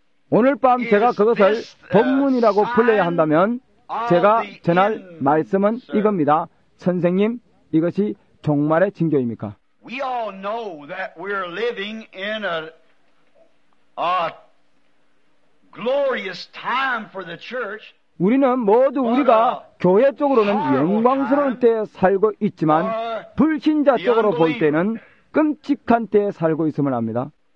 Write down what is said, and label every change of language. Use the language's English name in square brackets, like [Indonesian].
[Korean] 오늘 밤 제가 그것을 본문이라고 불러야 한다면 제가 전할 말씀은 이겁니다. 선생님, 이것이 종말의 징조입니까? [English] We all know that we're living in a glorious time for the church. [Korean] 우리는 모두 우리가 교회 쪽으로는 영광스러운 때에 살고 있지만 불신자 쪽으로 볼 때는 끔찍한 때에 살고 있음을 압니다.